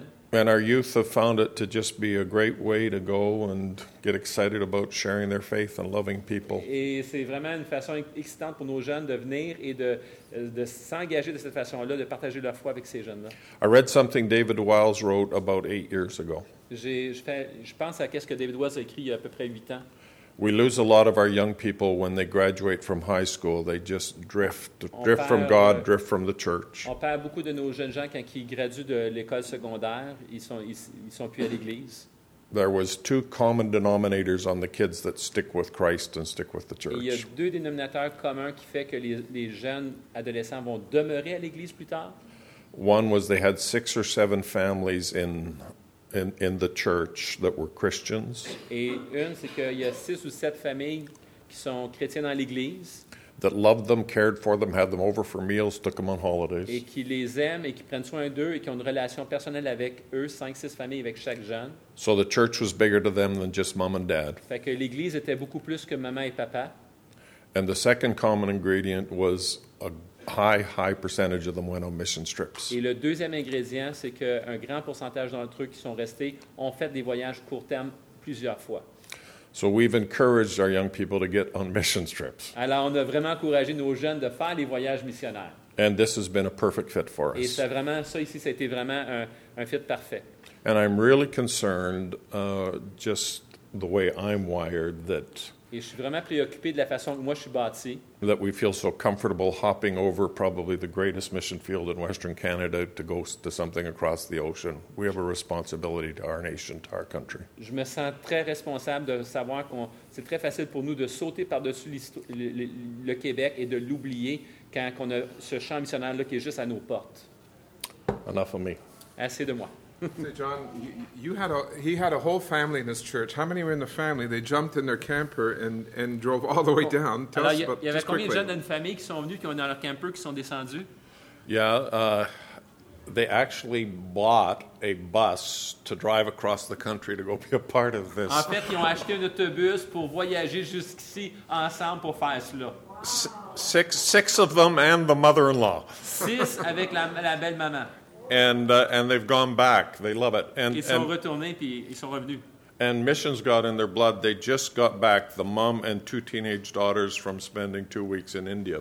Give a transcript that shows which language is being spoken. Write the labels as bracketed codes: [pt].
[en] And our youth have found it to just be a great way to go and get excited about sharing their faith and loving people. [fr] Et c'est vraiment une façon excitante pour nos jeunes de venir et de s'engager de cette façon-là, de partager leur foi avec ces jeunes-là. [en] I read something David Wiles wrote about 8 years ago. [fr] Je pense à qu'est-ce que David Wiles a écrit il y a à peu près 8 ans. [en] We lose a lot of our young people when they graduate from high school. They just drift from God, drift from the church. [fr] On perd beaucoup de nos jeunes gens quand ils graduent de l'école secondaire, ils sont plus à l'église. [en] There was 2 common denominators on the kids that stick with Christ and stick with the church. [fr] Il y a 2 dénominateurs communs qui fait que les jeunes adolescents vont demeurer à l'église plus tard. [en] One was they had 6 or 7 families in the church that were Christians. [fr] Et une, c'est qu'il y a 6 ou 7 familles qui sont chrétiennes dans l'église. [en] That loved them, cared for them, had them over for meals, took them on holidays. [fr] Et qui les aiment et qui prennent soin d'eux et qui ont une relation personnelle avec eux, 5-6 familles avec chaque jeune. [en] So the church was bigger to them than just mom and dad. [fr] Fait que l'église était beaucoup plus que maman et papa. [en] And the second common ingredient was a high percentage of them went on mission trips. [fr] Et le deuxième ingrédient, c'est qu'un grand pourcentage d'entre eux qui sont restés ont fait des voyages court terme plusieurs fois. [en] So we've encouraged our young people to get on mission trips. [fr] Alors, on a vraiment encouragé nos jeunes de faire les voyages missionnaires. [en] And this has been a perfect fit for us. [fr] Et c'est vraiment ça ici, c'était vraiment un fit parfait. [en] And I'm really concerned, just the way I'm wired, that [fr] Et je suis vraiment préoccupé de la façon dont moi je suis bâti. [en] That we feel so comfortable hopping over probably the greatest mission field in Western Canada to go to something across the ocean. We have a responsibility to our nation, to our country. [fr] Je me sens très responsable de savoir qu'on c'est très facile pour nous de sauter par-dessus le Québec et de l'oublier quand on a ce champ missionnaire là qui est juste à nos portes. [en] Enough of me. [fr] Assez de moi. [en] Say, John, he had a whole family in his church. How many were in the family? They jumped in their camper and drove all the way down. Tell [fr] Alors, [en] us about, [fr] y avait combien [en] quickly. [fr] De jeunes d'une famille qui sont venus, qui ont dans leur camper, qui sont descendus? [en] Yeah, they actually bought a bus to drive across the country to go be a part of this. [fr] En fait, ils ont acheté un autobus pour voyager jusqu'ici ensemble pour faire cela. [en] Six of them and the mother-in-law. [fr] Six avec la belle-maman. [en] And they've gone back. They love it. And [fr] ils sont retournés puis ils sont revenus. [en] And missions got in their blood. They just got back, the mom and two teenage daughters, from spending 2 weeks in India.